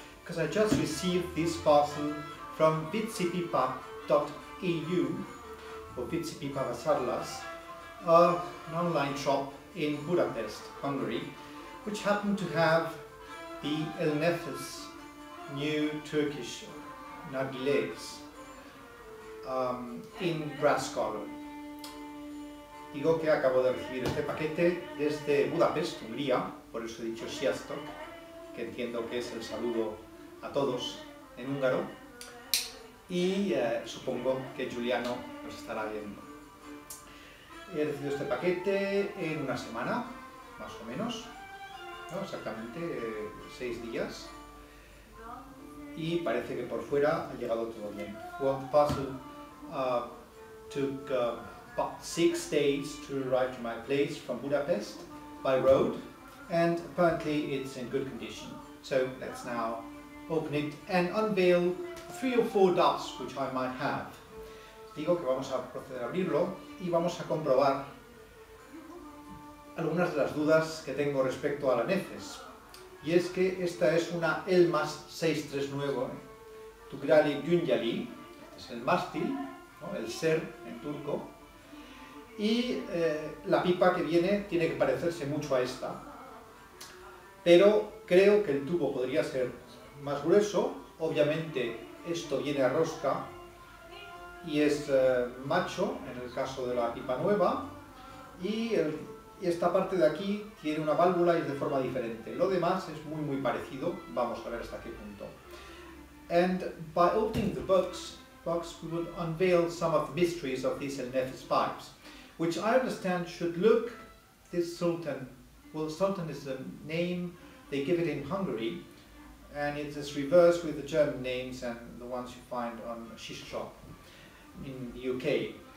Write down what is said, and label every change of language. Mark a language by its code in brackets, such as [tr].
[en] Because I just received this parcel from vitsipipa.eu, or vitsipipa.sadlas, an online shop in Budapest, Hungary, which happened to have the El Nefes new Turkish nargiles in grass color. [es] Digo que acabo de recibir este paquete desde Budapest, Hungría, por eso he dicho Sziasztok, que entiendo que es el saludo a todos en húngaro, y supongo que Giuliano nos estará viendo. He recibido este paquete en una semana, más o menos, ¿no? Exactamente 6 días. Y parece que por fuera ha llegado todo bien. [en] Well, the parcel took about 6 days to arrive to my place from Budapest by road, and apparently it's in good condition. So let's now open it and unveil 3 or 4 dots which I might have. [es] Digo que vamos a proceder a abrirlo y vamos a comprobar algunas de las dudas que tengo respecto a la Nefes. Y es que esta es una Elmas 639, Tugrali Dünyali, este es el mástil, ¿no? El ser en turco. Y la pipa que viene tiene que parecerse mucho a esta. Pero creo que el tubo podría ser más grueso. Obviamente esto viene a rosca y es macho en el caso de la pipa nueva. Y esta parte de aquí tiene una válvula y es de forma diferente. Lo demás es muy muy parecido. Vamos a ver hasta qué punto. [en] And by opening the box, we would unveil some of the mysteries of these El Nefes pipes, which I understand should look this Sultan. Well, Sultan is the name they give it in Hungary, and it is reversed with the German names and the ones you find on shish shop in the UK.